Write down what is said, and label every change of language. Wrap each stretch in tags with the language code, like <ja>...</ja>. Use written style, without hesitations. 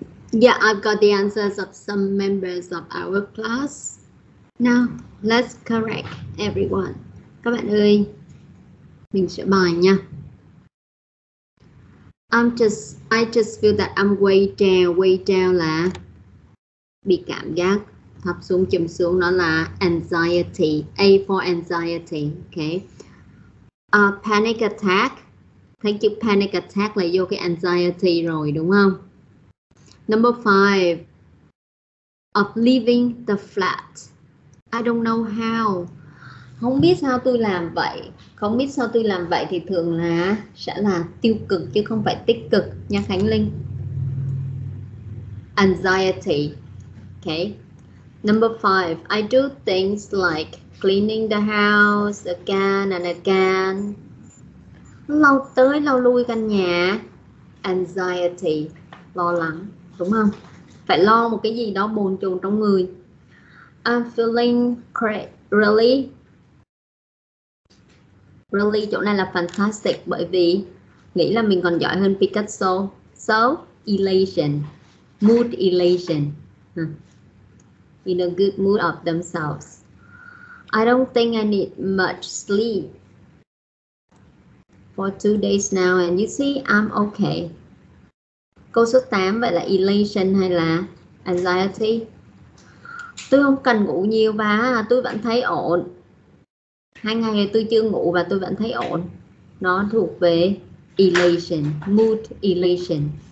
<en>Yeah, I've got the answers of some members of our class. Now, let's correct everyone.</en> <vi>Các bạn ơi, mình sửa bài nha.</vi> <en>I just feel that I'm way down.</en> <vi>Way down là bị cảm giác thấp xuống, chìm xuống. Nó là</vi> <en>anxiety. A for anxiety. Okay. Panic attack.</en> <vi>Thấy chữ panic attack là vô cái anxiety rồi, đúng không?</vi> <en>Number 5, of leaving the flat. I don't know how.</en> <vi>Không biết sao tôi làm vậy. Không biết sao tôi làm vậy thì thường là sẽ là tiêu cực chứ không phải tích cực nha Khánh Linh.</vi> <en>Anxiety. Okay. Number 5, I do things like cleaning the house again and again.</en> <vi>Lâu tới lâu lui căn nhà. Anxiety, lo lắng. Đúng không? Phải lo một cái gì đó bồn chồn trong người.</vi> <en>I'm feeling great. Really?</en> <vi>Really, chỗ này là fantastic bởi vì nghĩ là mình còn giỏi hơn Picasso.</vi> <en>So, elation. Mood elation. In a good mood of themselves. I don't think I need much sleep for 2 days now. And you see, I'm okay.</en> <vi>Câu số 8, vậy là elation hay là anxiety? Tôi không cần ngủ nhiều và tôi vẫn thấy ổn. 2 ngày tôi chưa ngủ và tôi vẫn thấy ổn. Nó thuộc về elation, mood elation.</vi>